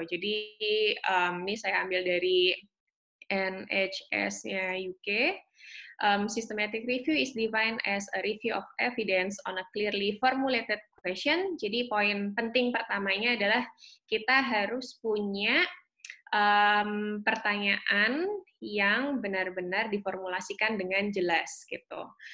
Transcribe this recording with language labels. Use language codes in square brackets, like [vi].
[id] Jadi ini saya ambil dari NHS-nya UK. [en] Systematic review is defined as a review of evidence on a clearly formulated question. [id] Jadi poin penting pertamanya adalah kita harus punya pertanyaan yang benar-benar diformulasikan dengan jelas gitu.